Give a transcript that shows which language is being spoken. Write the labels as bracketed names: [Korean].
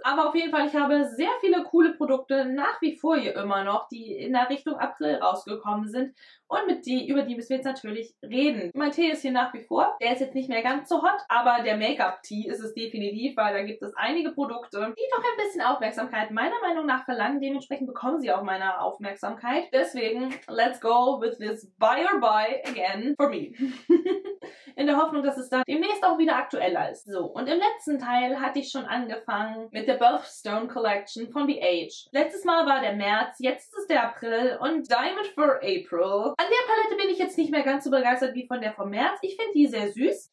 [German] Aber auf jeden Fall, ich habe sehr viele coole Produkte nach wie vor hier immer noch, die in der Richtung April rausgekommen sind. Und über die müssen wir jetzt natürlich reden. Mein Tee ist hier nach wie vor. Der ist jetzt nicht mehr ganz so hot, aber der Make-up-Tee ist es definitiv, weil da gibt es einige Produkte, die doch ein bisschen Aufmerksamkeit meiner Meinung nach verlangen. Dementsprechend bekommen sie auch meine Aufmerksamkeit. Deswegen, [English] let's go with this buy or buy again for me. [German] In der Hoffnung, dass es dann demnächst auch wieder aktueller ist. So, und im letzten Teil hatte ich schon angefangen mit der Birthstone Collection von The Age. Letztes Mal war der März, jetzt ist es der April und Diamond for April. An der Palette bin ich jetzt nicht mehr ganz so begeistert wie von der vom März. Ich finde die sehr süß.